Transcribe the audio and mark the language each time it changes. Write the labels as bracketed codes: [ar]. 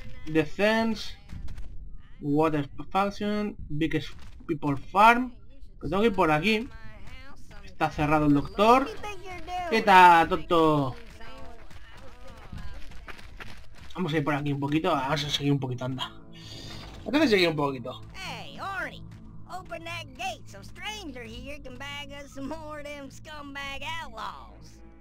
[en] Defense Water Falcon, Big People Farm. [es] Pero tengo que ir por aquí. Está cerrado el doctor. ¿Qué tal, tonto? Vamos a ir por aquí un poquito. Vamos a seguir un poquito, anda. Vamos a seguir un poquito. [en] Hey, Arnie, open that gate so stranger here can bag us some more of them scumbag outlaws.